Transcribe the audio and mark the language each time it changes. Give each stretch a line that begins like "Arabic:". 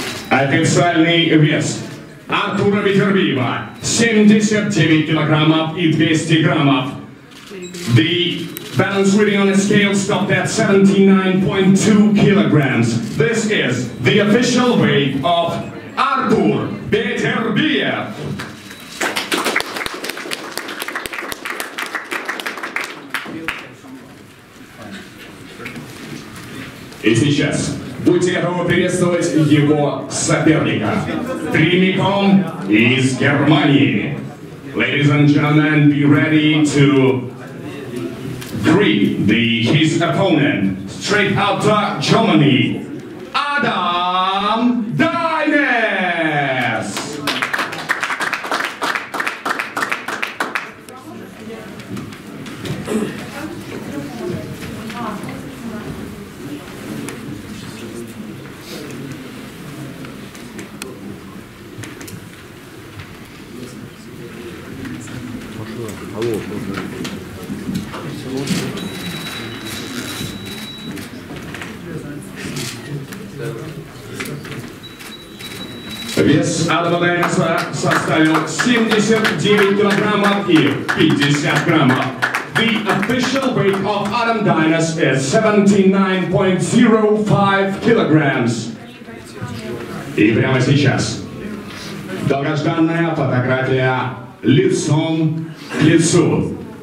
Russian: Официальный вес Артура Петербиева 79 килограммов и 200 граммов.
English: The balance reading on the scale stopped at 79.2 kilograms. This is the official weight of Артур Петербиев.
Russian: И сейчас будьте готовы приветствовать его соперника. Прямиком из Германии.
English: Ladies and gentlemen, be ready to greet his opponent. Straight out of Germany, Adam Dines!
Russian: Вес Адама Дайнеса составил 79 килограммов и 50 граммов.
English: The official weight of Adam Dines is 79.05 kilograms.
Russian: И прямо сейчас долгожданная фотография лицом к лицу.